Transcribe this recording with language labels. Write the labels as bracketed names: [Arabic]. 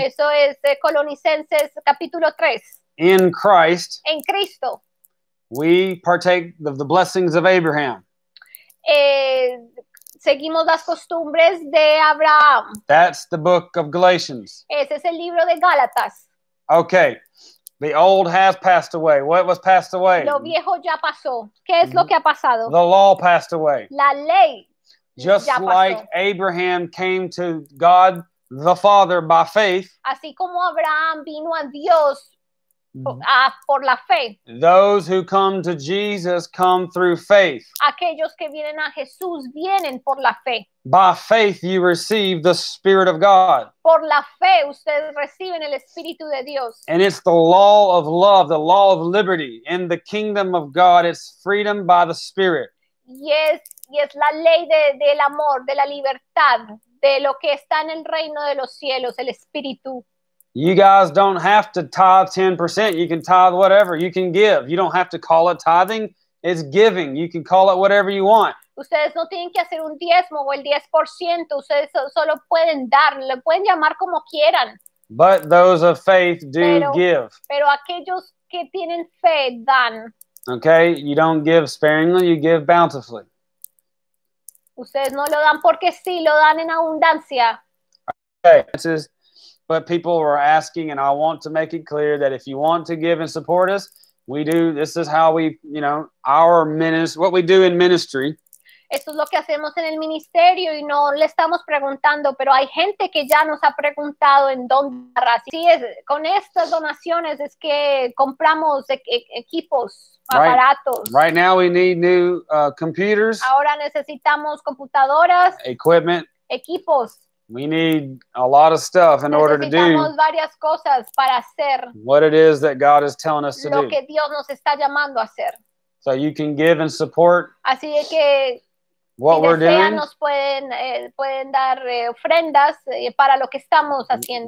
[Spanish] Eso es Colosenses capítulo 3. [English] In Christ, [Spanish] en Cristo, [English] we partake of the blessings of Abraham. [Spanish] Seguimos las costumbres de Abraham. [English] That's the book of Galatians. [Spanish] Ese es el libro de Gálatas. [English] Okay. The old has passed away. What was passed away? [Spanish] Lo viejo ya pasó. ¿Qué es lo que ha pasado? [English] The law passed away. [Spanish] La ley. [English] Just [Spanish] ya pasó. [English] Like Abraham came to God the Father by faith. [Spanish] Así como Abraham vino a Dios por la fe. [English] Those who come to Jesus come through faith. [Spanish] Aquellos que vienen a Jesús vienen por la fe. [English] By faith you receive the Spirit of God. [Spanish] Por la fe ustedes reciben el Espíritu de Dios. [English] And it's the law of love, the law of liberty. In the kingdom of God, it's freedom by the Spirit. [Spanish] Y es la ley del amor, de la libertad, de lo que está en el reino de los cielos, el Espíritu. [English] You guys don't have to tithe 10%. You can tithe whatever. You can give. You don't have to call it tithing. It's giving. You can call it whatever you want. [Spanish] Ustedes no tienen que hacer un diezmo o el 10%. Ustedes solo pueden dar. Lo pueden llamar como quieran. [English] But those of faith do give. [Spanish] Pero aquellos que tienen fe dan. [English] Okay? You don't give sparingly. You give bountifully. [Spanish] Ustedes no lo dan porque sí. Lo dan en abundancia. [English] Okay. This is... But people were asking, and I want to make it clear that if you want to give and support us, we do. This is how we, you know, our ministry, what we do in ministry. [Spanish] esto es lo que hacemos en el ministerio y no le estamos preguntando, pero hay gente que ya nos ha preguntado en dónde agarrar. Sí, es, con estas donaciones es que compramos equipos, aparatos. [English] Right. Right now we need new computers. [Spanish] Ahora necesitamos computadoras. [English] Equipment. [Spanish] Equipos. [English] We need a lot of stuff in order to do [Spanish] varias cosas para hacer [English] what it is that God is telling us to [Spanish] do. Lo que Dios nos está llamando a hacer. [English] So you can give and support [Spanish] así que, [English] what [Spanish] si [English] we're [Spanish] desean, [English] doing. [Spanish] Nos pueden, pueden dar ofrendas para lo que estamos haciendo.